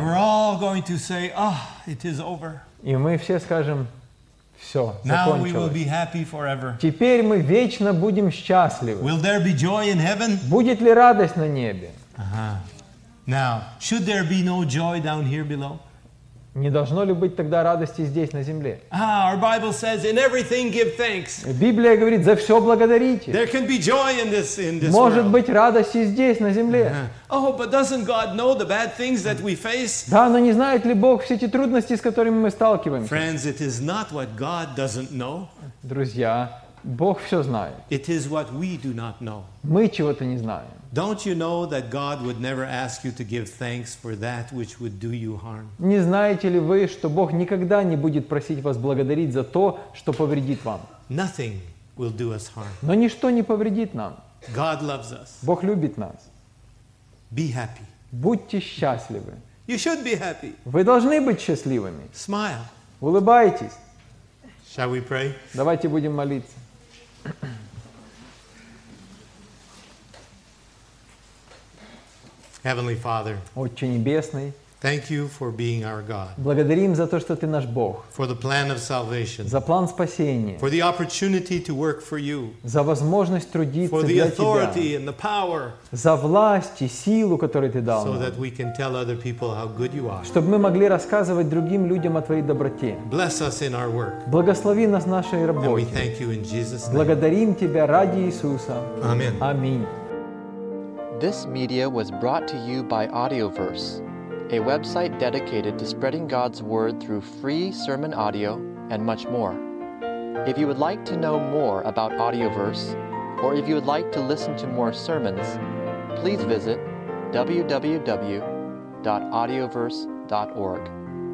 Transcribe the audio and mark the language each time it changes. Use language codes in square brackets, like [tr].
[en] And we're all going to say, "Ah, it is over." [ru] И мы все скажем: все, [en] now we will be happy forever. [ru] Теперь мы вечно будем счастливы. [en] Will there be joy in heaven? [ru] Будет ли радость на небе? [en] Now, should there be no joy down here below? [ru] Не должно ли быть тогда радости здесь, на земле? [en] Our Bible says, in everything give thanks. [ru] Библия говорит: за все благодарите. [en] There can be joy in this [ru] может [en] world. [ru] Быть радость и здесь, на земле. [en] Oh, but doesn't God know the bad things that we face? [ru] Да, но не знает ли Бог все эти трудности, с которыми мы сталкиваемся? [en] Friends, it is not what God doesn't know. [ru] Друзья, Бог все знает. [en] It is what we do not know. [ru] Мы чего-то не знаем. [en] Don't you know that God would never ask you to give thanks for that which would do you harm? [ru] Не знаете ли вы, что Бог никогда не будет просить вас благодарить за то, что повредит вам? [en] Nothing will do us harm. [ru] Но ничто не повредит нам. [en] God loves us. [ru] Бог любит нас. [en] Be happy. [ru] Будьте счастливы. [en] You should be happy. [ru] Вы должны быть счастливыми. [en] Smile. [ru] Улыбайтесь. [en] Shall we pray? [ru] Давайте будем молиться. [en] Heavenly Father, [ru] Отче Небесный, [en] thank you for being our God. [ru] Благодарим за то, что ты наш Бог. [en] For the plan of salvation. [ru] За план спасения. [en] For the opportunity to work for you. [ru] За возможность трудиться для тебя. [en] For the authority and the power. [ru] За власть и силу, которую ты дал нам. [en] So that we can tell other people how good you are. [ru] Чтобы мы могли рассказывать другим людям о твоей доброте. [en] Bless us in our work. [ru] Благослови нас в нашей работе. [en] And we thank you in Jesus' name. [ru] Благодарим тебя ради Иисуса. [en] Amen. [ru] Аминь. [en] This media was brought to you by Audioverse, a website dedicated to spreading God's word through free sermon audio and much more. If you would like to know more about Audioverse, or if you would like to listen to more sermons, please visit www.audioverse.org.